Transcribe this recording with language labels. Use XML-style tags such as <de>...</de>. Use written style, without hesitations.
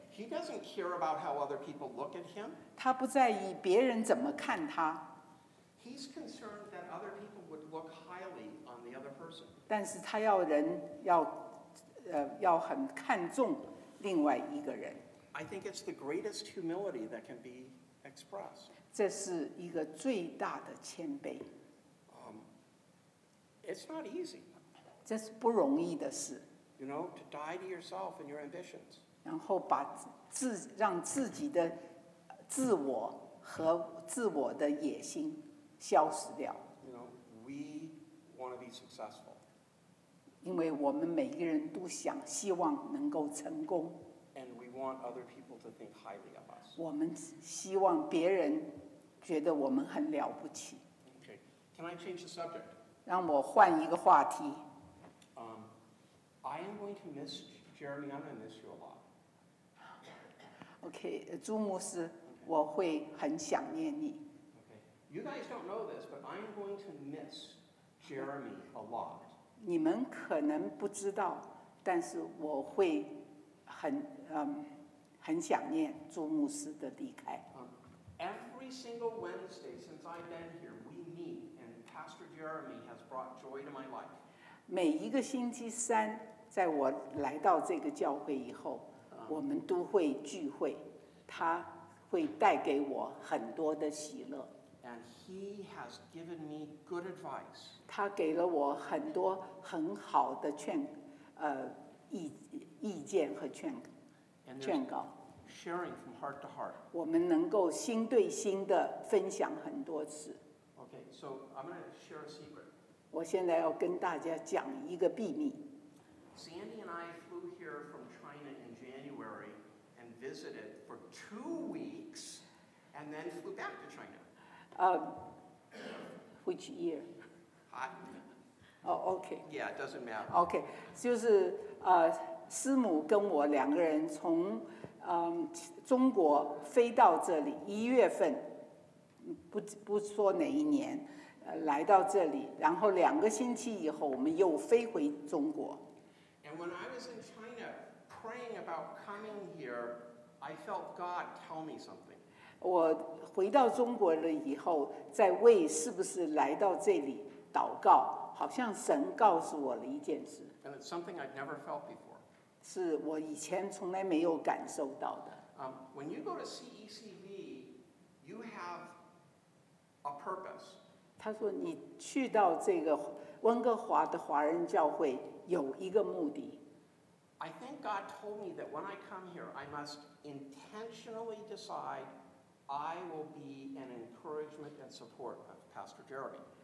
<en>He doesn't care about how other people look at him.</en> <zh>他不在意别人怎么看他。</zh> <en>He's concerned that other people would look highly on the other person.</en> <zh>但是他要人要要很看重另外一个人。</zh> <en>I think it's the greatest humility that can be expressed.</en> <zh>这是一个最大的谦卑。</zh> <en>It's not easy.</en> <zh>这是不容易的事。</zh> <en>You know, to die to yourself and your ambitions.</en> <zh>然后把自让自己的自我和自我的野心消失掉。</zh> <en>You know, we want to be successful.</en> <zh>因为我们每一个人都想希望能够成功。</zh> <en>And we want other people to think highly of us.</en> <zh>我们希望别人觉得我们很了不起。</zh> <en>Okay, can I change the subject?</en> <zh>让我换一个话题。</zh> <en>I am going to miss Jeremy. I'm going to miss you a lot.</en> <zh>Okay, 朱牧师，我会很想念你。</zh> <en>Okay, you guys don't know this, but I am going to miss Jeremy a lot.</en> <zh>你们可能不知道，但是我会很想念朱牧师的离开。</zh> <en>Every single Wednesday since I've been here, we meet, and Pastor Jeremy has brought joy to my life.</en> <zh>每一个星期三。在我来到这个教会以后，我们都会聚会，他会带给我很多的喜乐。</zh> <en>And he has given me good advice.</en> <zh>他给了我很多很好的劝，意见和劝告。</zh> <en>Sharing from heart to heart.</en> <zh>我们能够心对心的分享很多次。</zh> <en>Okay, so I'm going to share a secret.</en> <zh>我现在要跟大家讲一个秘密。</zh> <en>Sandy and I flew here from China in January and visited for 2 weeks and then flew back to China. Which year? Hot. Oh, okay. Yeah, it doesn't matter.</en> <zh>Okay, 就是师母跟我两个人从中国飞到这里，一月份，不说哪一年，来到这里，然后两个星期以后我们又飞回中国。</zh> <en>And when I was in China praying about coming here, I felt God tell me something.</en> <zh>我回到中国了以后，在为是不是来到这里祷告，好像神告诉我了一件事。</zh> <en>And it's something I'd never felt before.</en> <zh>是我以前从来没有感受到的。</zh> <en>When you go to CECV, you have a purpose.</en> <zh>他说你去到这个温哥华的华人教会。有一个目的。</zh> <en>I think God told me that when I come here, I must intentionally decide I will be an encouragement and support of Pastor Jeremy.</en>